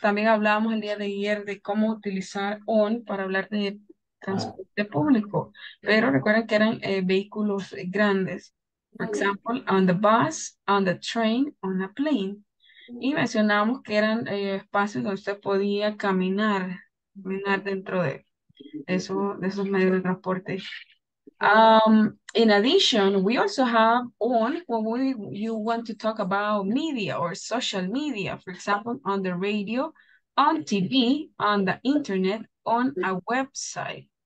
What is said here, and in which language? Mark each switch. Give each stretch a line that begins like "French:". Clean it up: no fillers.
Spanish: También hablábamos el día de ayer de cómo utilizar on para hablar de transporte público. Pero recuerden que eran vehículos grandes.
English: For example, on the bus, on the train, on a plane.
Spanish: Y mencionábamos que eran espacios donde usted podía caminar dentro de eso, de esos medios de transporte.
English: In addition, we also have on when you want to talk about media or social media, for example, on the radio, on TV, on the internet, on a website.